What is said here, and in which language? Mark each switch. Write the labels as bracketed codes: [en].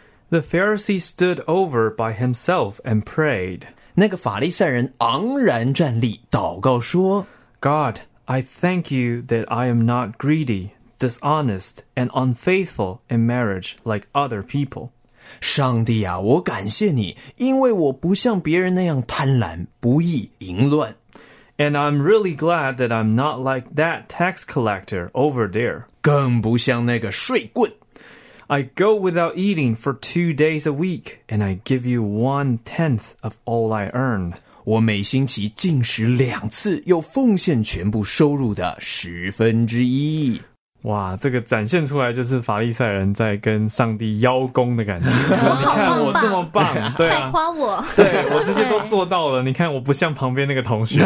[en] The Pharisee stood over by himself and prayed. [zh] 那个法利赛人昂然站立祷告说， [en] God, I thank you that I am not greedy, dishonest, and unfaithful in marriage like other people. [zh] 上帝啊，我感谢你，因为我不像别人那样贪婪、不义、淫乱。 [en] And I'm really glad that I'm not like that tax collector over there. [zh] 更不像那个税棍。 [en] I go without eating for 2 days a week, and I give you 1/10 of all I earn. [zh] 我每星期进食两次，又奉献全部收入的十分之一。哇，这个展现出来就是法利赛人在跟上帝邀功的感觉。你看我这么棒，对啊，快夸我，对我这些都做到了。你看我不像旁边那个同学，